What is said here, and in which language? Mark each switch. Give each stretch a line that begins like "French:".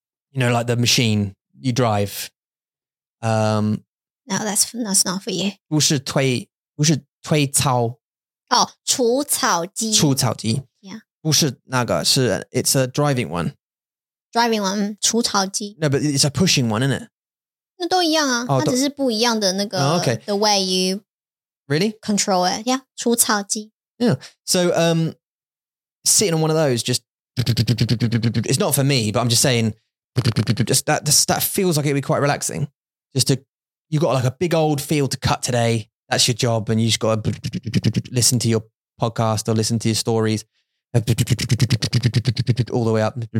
English: You know, like the machine you drive. No, that's not for you.
Chinese: 不是推草。 Oh, 除草机。除草机。
English: Yeah.
Chinese: 不是那个,是,
English: it's a driving one. Driving one,
Chinese: 除草机。
English: No, but it's a pushing one, isn't it?
Chinese: 那都一样啊,它只是不一样的那个,
English: oh, okay. The way you really control it. Yeah,
Chinese: 除草机。
English: Yeah, so sitting on one of those just—it's not for me, but I'm just saying, just that feels like it'd be quite relaxing. Just to—you got like a big old field to cut today. That's your job, and you just got to listen to your podcast or listen to your stories all the way up.